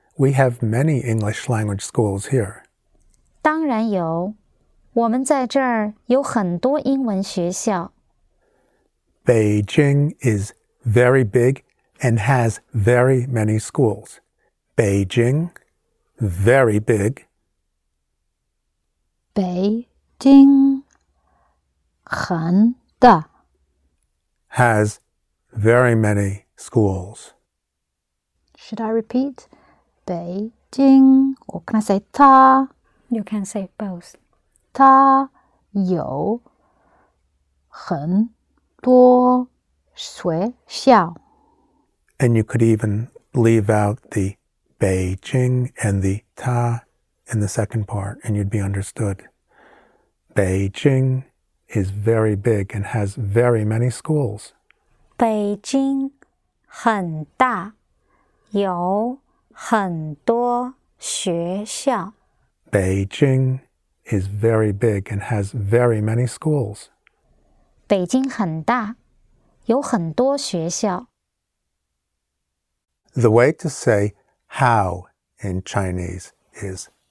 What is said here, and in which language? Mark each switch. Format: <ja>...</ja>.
<en>We have many English language schools here.</en> <zh>当然有。我们在这儿有很多英文学校。Beijing</zh> <en>is very big and has very many schools. Beijing, very big.</en> <zh>Beijing, 很大.</zh> <en>Has very many schools. Should I repeat? Beijing, or can I say ta? You can say both.</en> <zh>Ta you 很多学校.</zh> <en>And you could even leave out the Beijing and the ta in the second part, and you'd be understood. Beijing is very big and has very many schools.</en> <zh>Beijing 很大，有很多学校.</zh> <en>Beijing is very big and has very many schools.</en> <zh>Beijing 很大，有很多学校.</zh> <en>The way to say how in Chinese is</en>